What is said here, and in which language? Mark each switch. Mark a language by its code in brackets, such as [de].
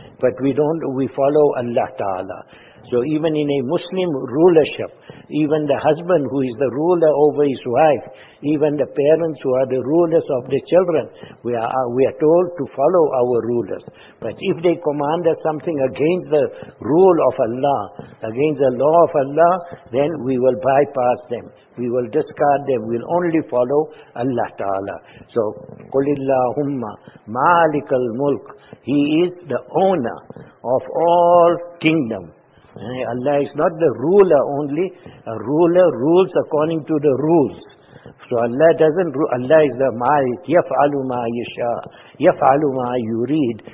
[en] But we follow Allah Ta'ala. So even in a Muslim rulership, even the husband who is the ruler over his wife, even the parents who are the rulers of the children, we are told to follow our rulers. But if they command us something against the rule of Allah, against the law of Allah, then we will bypass them. We will discard them. We will only follow Allah Ta'ala. [ar] So, قُلِ اللَّهُمَّ مَالِكَ الْمُلْكِ. [en] He is the owner of all kingdom. Allah is not the ruler only. A ruler rules according to the rules. So Allah doesn't rule. Allah is the Malik. [ar] يَفْعَلُ مَا يَشَاءُ يَفْعَلُ مَا يُرِيدُ.